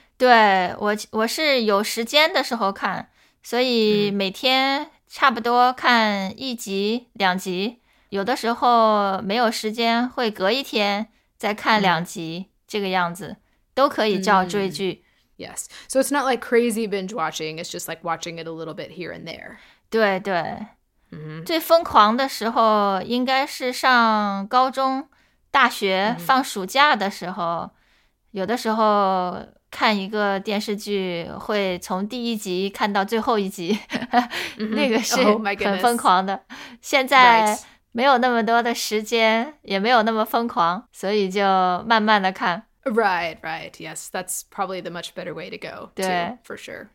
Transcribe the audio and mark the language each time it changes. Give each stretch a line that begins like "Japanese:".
Chinese: 对，我是有时间的时候看，所以每天差不多看一集两集，有的时候没有时间会隔一天再看两集，这个样子都可以叫追剧。
English: Yes. So it's not like crazy binge watching. It's just like watching it a little bit here and there.
Chinese: 对对。最疯狂的时候应该是上高中大学放暑假的时候。有的时候看一个电视剧会从第一集看到最后一集。那个是很疯狂的。现在没有那么多的时间，也没有那么疯狂，所以就慢慢的看。
English: Right, right. Yes, that's probably the much better way to go, too, for sure.